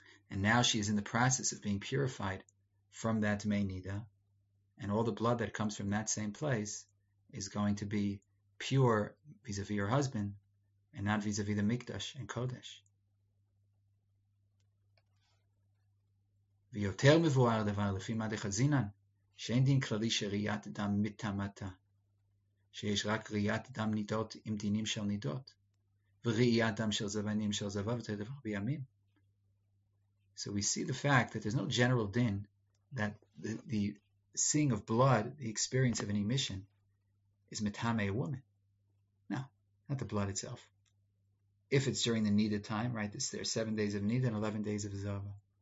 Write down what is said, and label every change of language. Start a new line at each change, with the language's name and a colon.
English: And now she is in the process of being purified from that Dmei Nida. And all the blood that comes from that same place is going to be pure vis-a-vis her husband and not vis-a-vis the Mikdash and Kodesh.
Hebrew: ויותר מבואר הדבר לפי מה דחזינן, שאין דין כללי שראיית דם מתמטה, שיש רק ראיית דם נידות עם דינים של נידות, וראיית דם של זבנים של זבה ותראה דבר בימים.
English: So we see the fact that there's no general din, that the seeing of blood, the experience of an emission, is metame a woman. No, not the blood itself. If it's during the nida time, right, there's 7 days of nida and 11 days of zava.